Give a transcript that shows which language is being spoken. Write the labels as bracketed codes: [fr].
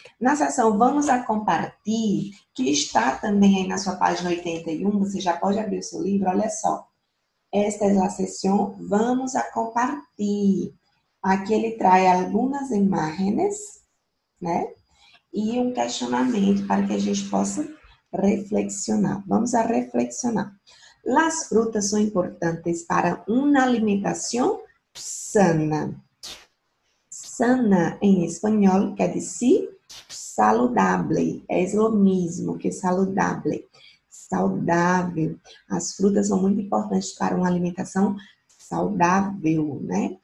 [pt] Na sessão Vamos a Compartir, que está também aí na sua página 81, você já pode abrir o seu livro, olha só. Esta é a sessão Vamos a Compartir. Aqui ele traz algumas imagens, né? E um questionamento para que a gente possa reflexionar. [es] Vamos a reflexionar. Las frutas son importantes para una alimentación sana. Sana en español quiere decir saludable. Es lo mismo que saludable. [pt] Saudável. As frutas são muito importantes para uma alimentação saudável, né?